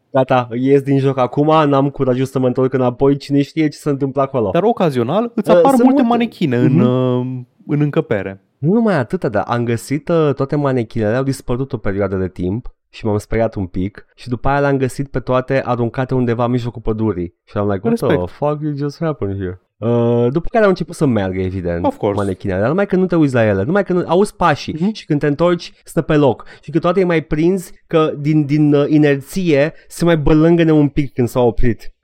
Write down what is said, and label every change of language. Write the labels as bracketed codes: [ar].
[ro] Gata, ies din joc acum, n-am curajul să mă întorc înapoi, cine știe ce se întâmplă acolo. Dar ocazional îți apar multe manechine în încăpere. Nu numai atât, dar am găsit toate manechinele, au dispărut o perioadă de timp și m-am speriat un pic și după aia l-am găsit pe toate aruncate undeva în mijlocul pădurii. Și am [en] like, what the fuck you just happened here? [ro] După care au început să meargă, evident, manechinele, dar numai că nu te uiți la ele, numai că nu, auzi pașii și când te întorci stă pe loc și că toate îi mai prinzi că din inerție se mai bălângăne un pic când s-au oprit.